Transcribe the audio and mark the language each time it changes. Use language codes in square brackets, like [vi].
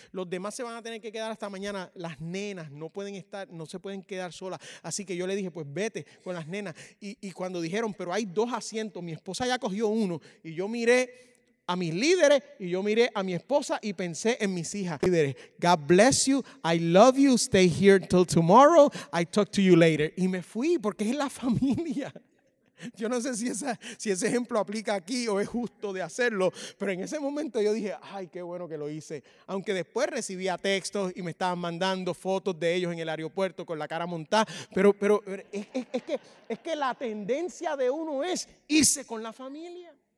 [es] Los demás se van a tener que quedar hasta mañana. Las nenas no pueden estar, no se pueden quedar solas. Así que yo le dije, pues vete con las nenas. Y cuando dijeron, pero hay 2 asientos, mi esposa ya cogió uno. Y yo miré a mis líderes y yo miré a mi esposa y pensé en mis hijas. [en] Líderes, God bless you, I love you, stay here until tomorrow, I talk to you later. [es] Y me fui porque es la familia. Yo no sé si ese ejemplo aplica aquí o es justo de hacerlo, pero en ese momento yo dije, ay, qué bueno que lo hice. Aunque después recibía textos y me estaban mandando fotos de ellos en el aeropuerto con la cara montada, pero es que la tendencia de uno es irse con la familia.